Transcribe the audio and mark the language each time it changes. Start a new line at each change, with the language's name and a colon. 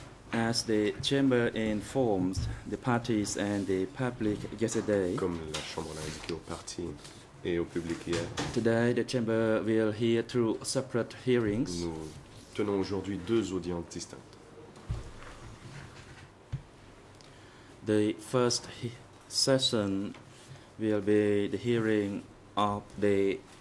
English: As the chamber informs the parties and the public yesterday,
French: comme la chambre l'a indiqué aux parties et au public hier,
English: today the chamber will hear two separate hearings.
French: Nous tenons aujourd'hui deux audiences distinctes.
English: The first session will be the hearing of the